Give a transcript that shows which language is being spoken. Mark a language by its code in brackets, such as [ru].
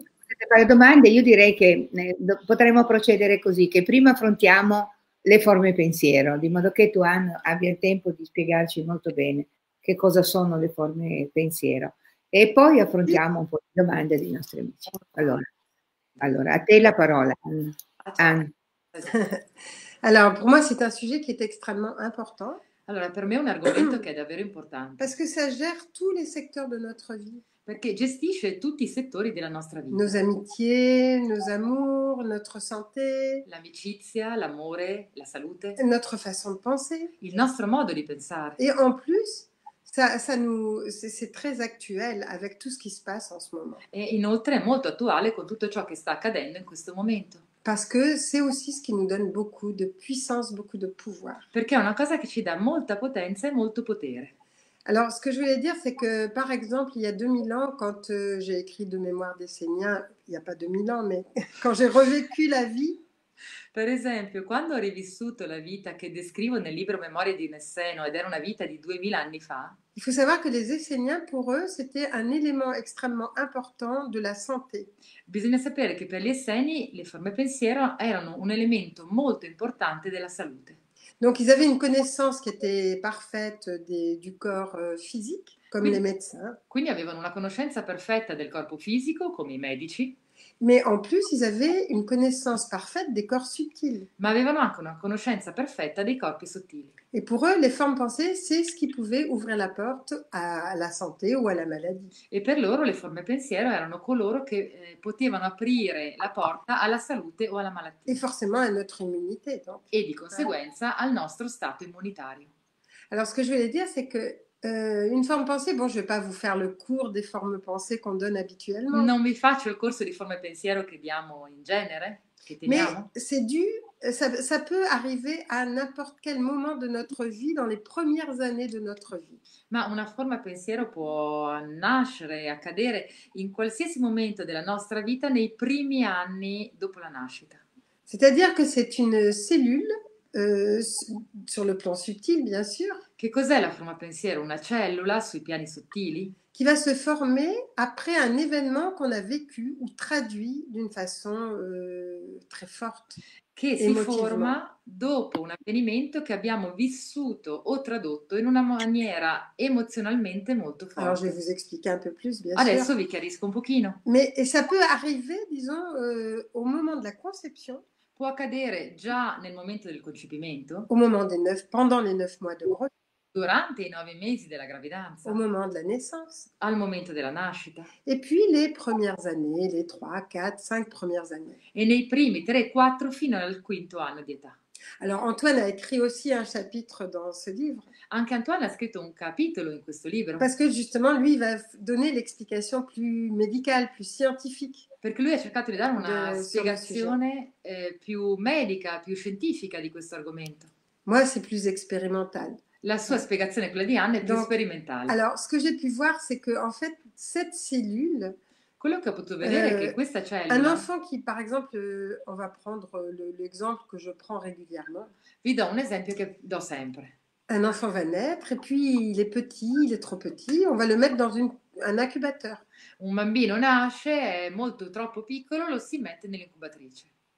[it] Potete fare domande, io direi che potremmo procedere così, che prima affrontiamo le forme pensiero, di modo che tu abbia il tempo di spiegarci molto bene che cosa sono le forme pensiero. E poi affrontiamo un po' le domande dei nostri amici. Allora, a te la parola, Anne. [fr] Alors, pour moi, c'est un sujet qui est extrêmement important. [it] Allora, per me è un argomento che è davvero importante. [fr] Parce que ça gère tous les secteurs de notre vie. [it] Perché gestisce tutti i settori della nostra vita. [fr] Nos amitiés, nos amours, notre santé, [it] L'amicizia, l'amore, la salute. [fr] notre façon de penser. [it] Il nostro modo di pensare. [fr] Et en plus, c'est très actuel avec tout ce qui se passe en ce moment. [it] E inoltre è molto attuale con tutto ciò che sta accadendo in questo momento. [fr] Parce que c'est aussi ce qui nous donne beaucoup de puissance, beaucoup de pouvoir. [it] Perché è una cosa che ci dà molta potenza e molto potere. [fr] Alors, ce que je voulais dire, c'est que, par exemple, il y a 2000 ans, quand j'ai écrit De mémoire d'Essénien, il n'y a pas 2000 ans, mais quand j'ai revécu la vie. [it] Per esempio, quando ho rivissuto la vita che descrivo nel libro Memorie di Nesseno, ed era una vita di 2000 anni fa, [fr] Il faut savoir que les Esséniens, pour eux, c'était un élément extrêmement important de la santé. [it] Bisogna sapere che per gli Esseni le forme pensiero erano un elemento molto importante della salute. [fr] Donc, ils avaient une connaissance qui était parfaite du corps physique, comme [it] quindi, [fr] les médecins. [it] Quindi avevano una conoscenza perfetta del corpo fisico, come i medici. [fr] Mais en plus, ils avaient une connaissance parfaite des corps subtils. [it] Ma avevano anche una conoscenza perfetta dei corpi sottili. [fr] Et pour eux, les formes pensées, c'est ce qui pouvait ouvrir la porte à la santé ou à la maladie. [it] E per loro le forme pensiero erano coloro che potevano aprire la porta alla salute o alla malattia. [fr] Et forcément à notre immunité, donc. [it] E di conseguenza al nostro stato immunitario. [fr] Alors, ce que je voulais dire, c'est que une forme pensée, bon, je ne vais pas vous faire le cours des formes pensées qu'on donne habituellement. [it] Non mi faccio il corso di forme pensiero che diamo in genere, che teniamo. [fr] Mais c'est dû, ça peut arriver à n'importe quel moment de notre vie, dans les premières années de notre vie. [it] Ma una forma pensiero può nascere, accadere in qualsiasi momento della nostra vita, nei primi anni dopo la nascita. [fr] C'est-à-dire que c'est une cellule, sur le plan subtil, bien sûr. [it] Che cos'è la forma pensiero? Una cellula sui piani sottili? [fr] Qui va se former après un événement qu'on a vécu ou traduit d'une façon très forte. [it] Che si forma dopo un avvenimento che abbiamo vissuto o tradotto in una maniera emozionalmente molto forte. [fr] Alors, je vais vous expliquer un peu plus, bien sûr. [it] Adesso vi chiarisco un pochino. [fr] Mais et ça peut arriver, disons, au moment de la conception. [it] Può accadere già nel momento del concepimento, [fr] au moment des neuf, pendant les neuf mois de grossesse, [it] durante i 9 mesi della gravidanza, [fr] au moment de la naissance, [it] al momento della nascita, [fr] et puis les premières années, les 3, 4, 5 premières années, [it] e nei primi 3, 4 fino al 5º anno di età. [fr] Alors Antoine a écrit aussi un chapitre dans ce livre. [it] Anche Antoine ha scritto un capitolo in questo libro. [fr] Parce que justement lui va donner l'explication plus médicale, plus scientifique. [it] Perché lui ha cercato di dare una spiegazione più medica, più scientifica di questo argomento. [fr] Moi c'est plus expérimental. [it] La sua spiegazione, quella di Anne, è più sperimentale. [fr] Alors ce que j'ai pu voir c'est que en fait cette cellule. [it] Quello che ho potuto vedere è che questa cellula. [fr] Un enfant qui, par exemple, on va prendre l'exemple que je prends régulièrement. [it] Vi do un esempio che do sempre. [fr] Un enfant va naître et puis il est petit, il est trop petit, on va le mettre dans un incubateur. [it] Un bambino nasce, è molto troppo piccolo, lo si mette nell'incubatrice.